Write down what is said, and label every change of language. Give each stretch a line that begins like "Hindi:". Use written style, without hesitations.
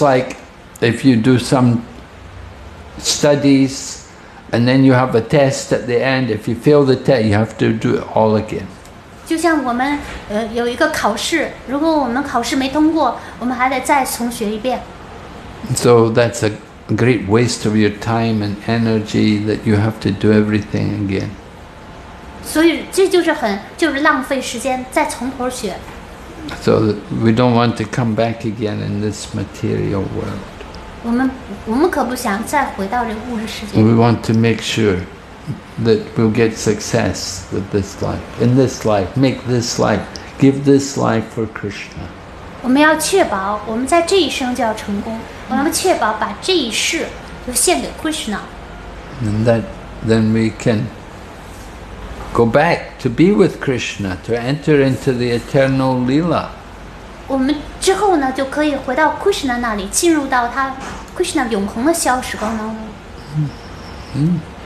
English: like if you do some studies, and then you have a test at the end, if you fail the test, you have to do it all again.
Chinese: 就像我们有一个考试，如果我们考试没通过，我们还得再重学一遍。
English: So that's a great waste of your time and energy that you have to do everything again.
Chinese: 所以这就是浪费时间，再从头学。
English: So we don't want to come back again in this material world.
Chinese: 我们可不想再回到这物质世界。
English: We want to make sure that we'll get success with this life. In this life, make this life, give this life for Krishna.
Chinese: 我们要确保我们在这一生就要成功。我们确保把这一世都献给 Krishna.
English: And then we can go back to be with Krishna, to enter into the eternal lila.
Chinese: 我们之后呢，就可以回到 Krishna 那里，进入到他 Krishna 永恒的逍时光当中。